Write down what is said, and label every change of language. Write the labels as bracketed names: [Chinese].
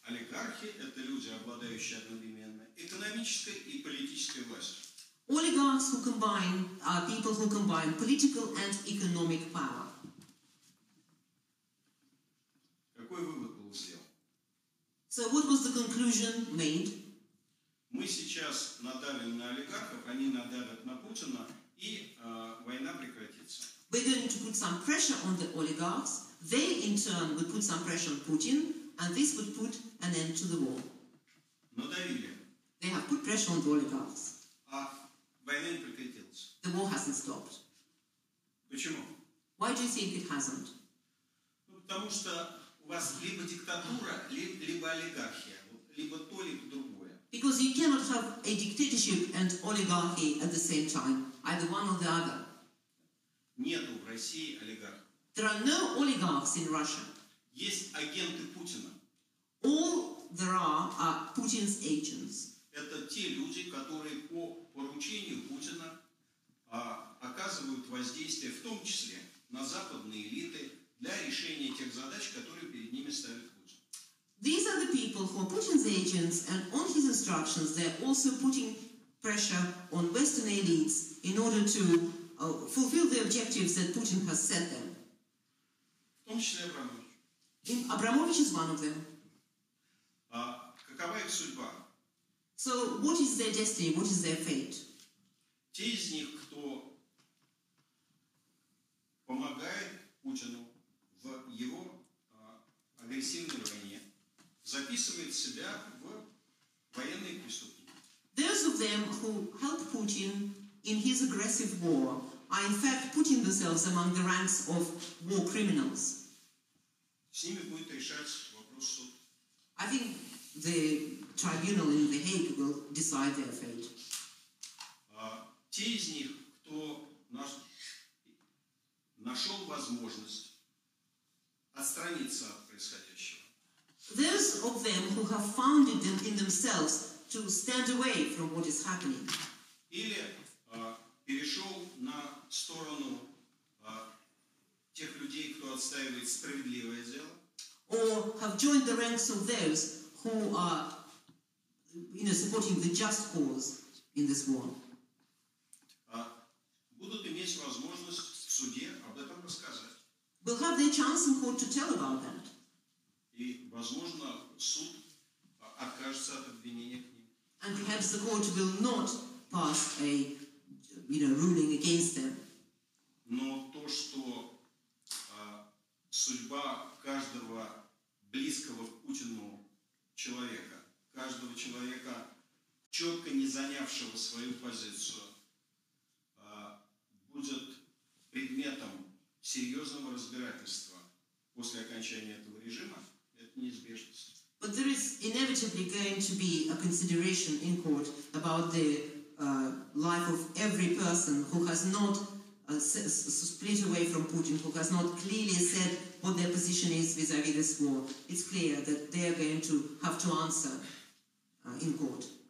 [Russian] Олигархи – это люди, обладающие одновременно экономической и политической властью. [English] Oligarchs who combine are people who combine political and economic power. [Russian] Какой вывод был сделан? [English] So what was the conclusion made? [Russian] Мы сейчас надавим на олигархов, они надавят на Путина, и война прекратится. [English] We're going to put some pressure on the oligarchs. They, in turn, would put some pressure on Putin, and this would put an end to the war. [Russian] Надавили. [English] They have put pressure on the oligarchs. [Russian] Война не прекратилась. [English] The war hasn't stopped. [Russian] Почему? [English] Why do you think it hasn't? [Russian] Ну, потому что у вас либо диктатура, либо олигархия. Либо то, либо другое. [English] Because you cannot have a dictatorship and oligarchy at the same time. Either one or the other. [Russian] Нету в России олигархов. [English] There are no oligarchs in Russia. [Russian] Есть агенты Путина. [English] All there are Putin's agents. [Russian] Это те люди, которые по поручению Путина оказывают воздействие, в том числе, на западные элиты для решения тех задач, которые перед ними ставит Путин. [English] These are the people who are Putin's agents, and on his instructions, they're also putting pressure on Western elites in order to fulfill the objectives that Putin has set them. [Russian] В том числе Абрамович. [English] Абрамович is one of them. [Russian] Какова их судьба? [English] So, what is their destiny? What is their fate? [Russian] Те из них, кто помогает Путину в его агрессивной войне, записывает себя в военные преступники. [English] Those of them who help Putin in his aggressive war are in fact putting themselves among the ranks of war criminals. [Russian] С ними будет решать вопрос суд. [English] I think the tribunal in The Hague will decide their fate. [Russian] Те из них, кто нашел возможность отстраниться от происходящего. [English] Those of them who have found it in themselves to stand away from what is happening. [Russian] Или перешел на сторону тех людей, кто отстаивает справедливое дело. [English] Or have joined the ranks of those who are, you know, supporting the just cause in this war. [Russian] Будут иметь возможность в суде об этом рассказать. [English] Will have their chance in court to tell about that. [Russian] И, возможно, суд откажется от обвинения к ним. [English] And perhaps the court will not pass a, you know, ruling against them. [Russian] Но то, что судьба каждого близкого к Путину человека, каждого человека, четко не занявшего свою позицию, будет предметом серьезного разбирательства после окончания этого режима, это неизбежность. [English] But there is inevitably going to be a consideration in court about the life of every person who has not split away from Putin, who has not clearly said what their position is vis-à-vis this war. It's clear that they are going to have to answer in court.